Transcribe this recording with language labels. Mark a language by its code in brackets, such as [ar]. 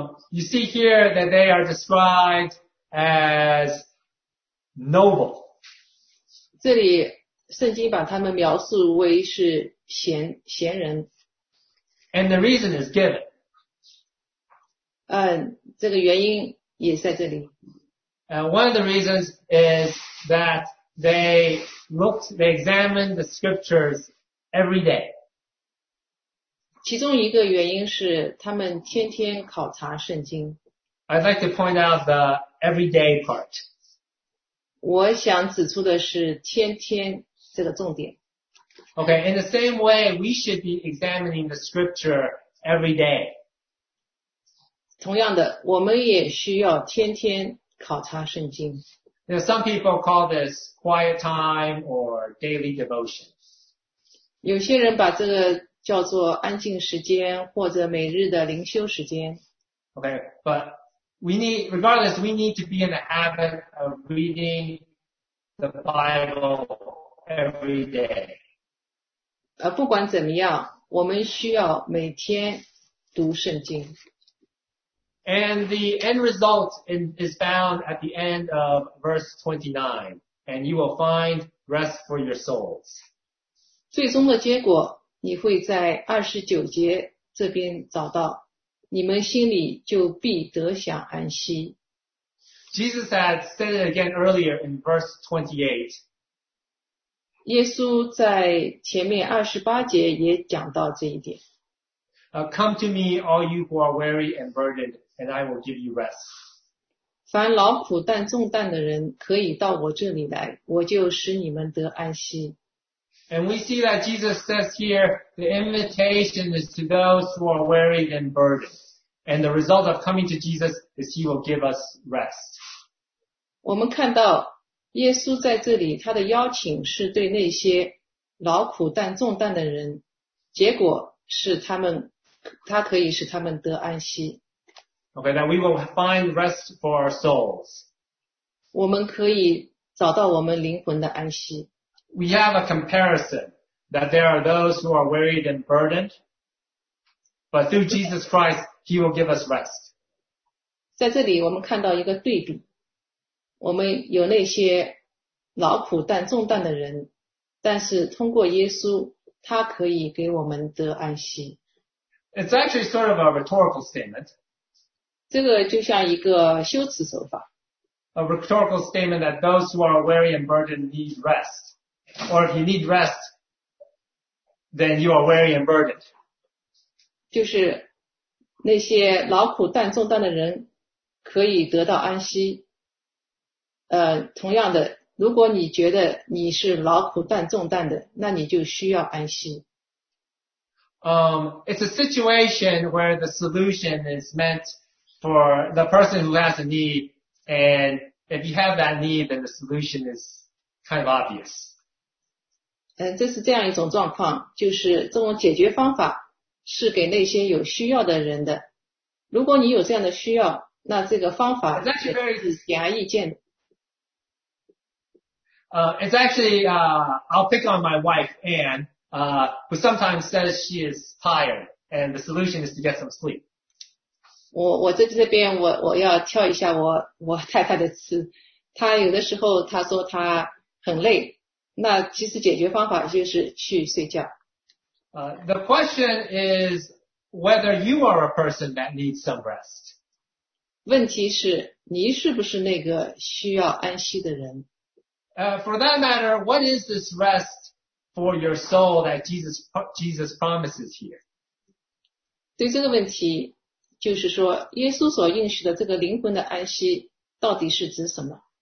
[en] You see here that they are described as noble. [zh] 这里圣经把他们描述为是贤人。 [en] And the reason is given. [zh] 这个原因也在这里。 [en] One of the reasons is that they examined the scriptures every day. [zh] 其中一个原因是他们天天考察圣经。 [en] I'd like to point out the everyday part. [zh] 我想指出的是天天这个重点。 [en] Okay, in the same way, we should be examining the scripture every day. [zh] 同样的，我们也需要天天考察圣经。 [en] Now, some people call this quiet time or daily devotion. [zh] 有些人把这个叫做安静时间或者每日的灵修时间。 [en] Okay, but regardless, we need to be in the habit of reading the Bible every day. [zh] 不管怎么样，我们需要每天读圣经。 [en] And the end result is found at the end of verse 29, and you will find rest for your souls. [zh] 最终的结果你会在29节这边找到，你们心里就必得享安息。 [en] Jesus had said it again earlier in verse 28. [zh] 耶稣在前面28节也讲到这一点。 [en] Come to me, all you who are weary and burdened, and I will give you rest. [zh] 凡劳苦担重担的人可以到我这里来，我就使你们得安息。 [en] And we see that Jesus says here, the invitation is to those who are weary and burdened. And the result of coming to Jesus is he will give us rest. [zh] 我们看到耶稣在这里，他的邀请是对那些劳苦担重担的人，结果是他可以使他们得安息。 [en] Okay, that we will find rest for our souls. [zh] 我们可以找到我们灵魂的安息。 [en] We have a comparison that there are those who are wearied and burdened, but through Jesus Christ, He will give us rest. [zh] 在这里我们看到一个对比，我们有那些劳苦担重担的人，但是通过耶稣，他可以给我们得安息。 [en] It's actually sort of a rhetorical statement. [zh] 这个就像一个修辞手法。 [en] A rhetorical statement that those who are weary and burdened need rest. Or if you need rest, then you are weary and burdened. [zh] 就是那些劳苦担重担的人可以得到安息。同样的，如果你觉得你是劳苦担重担的，那你就需要安息。 [en] It's a situation where the solution is meant for the person who has a need, and if you have that need, then the solution is kind of obvious. [zh] 这是这样一种状况，就是这种解决方法是给那些有需要的人的。如果你有这样的需要，那这个方法是显而易见的。 [en] I'll pick on my wife, Anne, who sometimes says she is tired, and the solution is to get some sleep. [zh] 我在这边我要跳一下我太太的词，她有的时候她说她很累。那其实解决方法就是去睡觉。 [en] The question is whether you are a person that needs some rest. [zh] 问题是你是不是那个需要安息的人。 [en] For that matter, what is this rest for your soul that Jesus promises here? [zh] 对这个问题，就是说耶稣所应许的这个灵魂的安息到底是指什么？